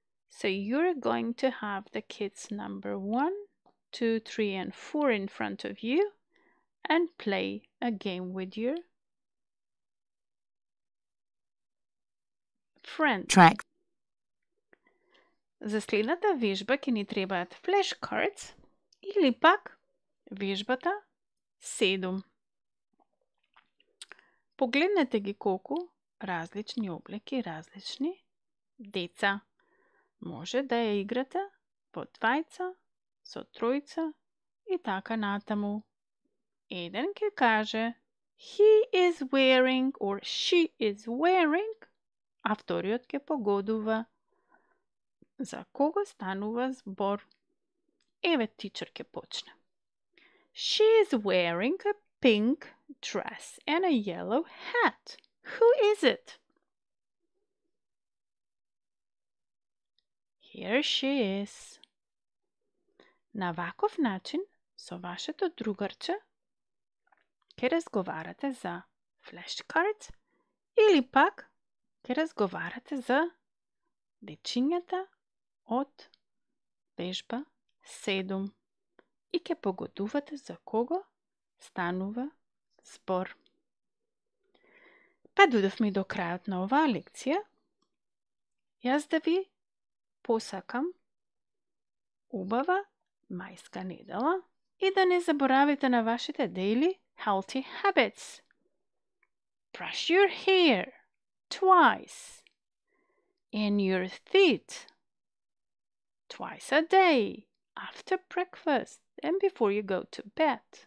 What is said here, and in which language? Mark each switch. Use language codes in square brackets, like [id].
[en] So you're going to have the kids number 1, 2, 3 and 4 in front of you and play a game with your friend. Track. [mk] За следната вежба ќе ни требаат flashcards или пак вежбата 7. Погледнете ги колку различни облеки, различни деца. Може да ја играте по двајца, со тројца и така натаму. Еден ќе каже [en] he is wearing or she is wearing, [mk] а вториот ќе погодува за кого станува збор. Еве тичер ќе почне. [en] She is wearing a pink dress and a yellow hat. Who is it? Here she is. [mk] На ваков начин, со вашето другарче, ќе разговарате за flashcards или пак ќе разговарате за дечињата од вежба 7 и ќе погодувате за кого станува збор. Па дојдовме до крајот на оваа лекција. Јас да ви посакам убава мајска недела и да не заборавите на вашите [en] daily healthy habits. Brush your hair twice and your teeth twice a day after breakfast and before you go to bed.